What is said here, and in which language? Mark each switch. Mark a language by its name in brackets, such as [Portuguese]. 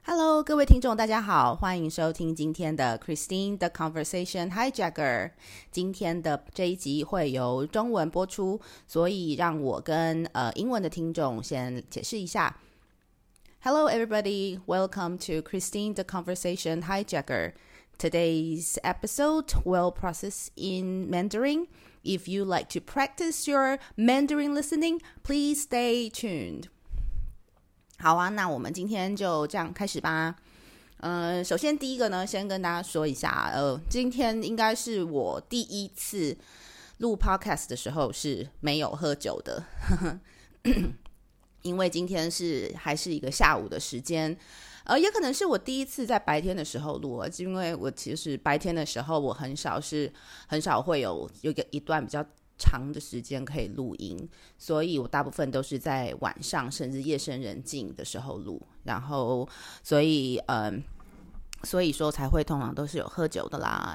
[Chinese] Hello， 各位听众，大家好，欢迎收听今天的 Christine The Conversation Hijacker。今天的这一集会由中文播出，所以让我跟英文的听众先解释一下。 [English] Hello, everybody. Welcome to Christine The Conversation Hijacker. Today's episode will process in Mandarin. If you like to practice your Mandarin listening, please stay tuned. [Chinese] 好啊，那我们今天就这样开始吧。首先第一个呢，先跟大家说一下，今天应该是我第一次录 podcast 的时候是没有喝酒的，因为今天是还是一个下午的时间，也可能是我第一次在白天的时候录，因为我其实白天的时候我很少会有一段比较长的时间可以录音，所以我大部分都是在晚上甚至夜深人静的时候录，然后所以说才会通常都是有喝酒的啦。